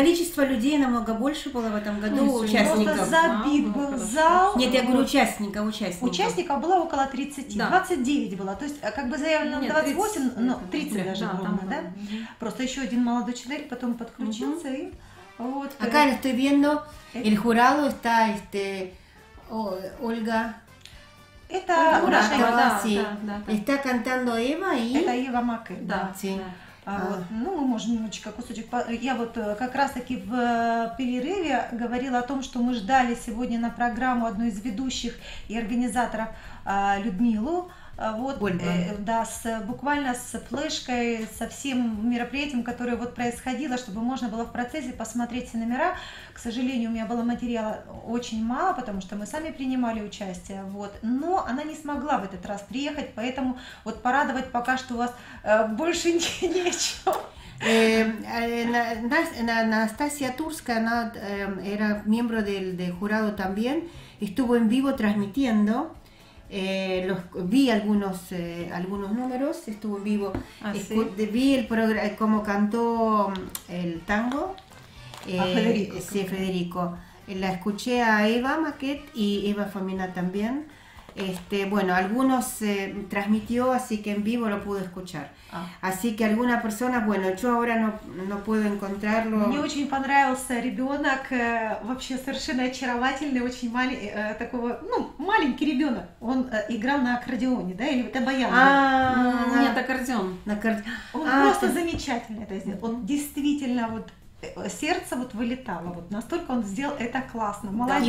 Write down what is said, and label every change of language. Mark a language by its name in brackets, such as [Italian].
[Russian] Количество людей намного больше было в этом году, ну, участников. Просто забит был зал. Нет, я говорю участников. Участников было около 30, да. 29 было. То есть, как бы заявлено, нет, 28, 30, ну, 30 даже, да, было, да? Было. Просто еще один молодой человек потом подключился, угу. И вот. [Spanish] Acá lo estoy viendo, el jurado está, Ольга... [Russian] Это наша Ева, да, [Spanish] sí. [Russian] Да, да, да. [Spanish] Está cantando Eva y... [Russian] Это Ева Маккей, да. Да. [Spanish] Sí. [Russian] Ну, мы можем немножечко кусочек... Я вот как раз-таки в перерыве говорила о том, что мы ждали сегодня на программу одну из ведущих и организаторов, Людмилу. Вот, да, буквально с флешкой, со всем мероприятием, которое вот происходило, чтобы можно было в процессе посмотреть все номера. К сожалению, у меня было материала очень мало, потому что мы сами принимали участие, вот. Но она не смогла в этот раз приехать, поэтому вот порадовать пока что у вас больше нечего. [Spanish] Anastasia Turska, [Russian] она [Spanish] era miembro del jurado también, estuvo en vivo transmitiendo. Vi algunos números, estuvo en vivo, vi el programa, cómo cantó el tango, Federico. La escuché a Eva Maquet y Eva Famina también, bueno, algunos transmitió, así que en vivo lo pude escuchar. Así que alguna persona, bueno, yo ahora no puedo encontrarlo. [Russian] Мне очень понравился ребенок, вообще совершенно очаровательный, очень маленький, такого, ну, маленький ребенок. Он играл на аккордеоне, да, или это баян? Нет, аккордеон. Он просто замечательно это сделал. Он действительно вот сердце вот вылетало, вот настолько он сделал это классно, молодец.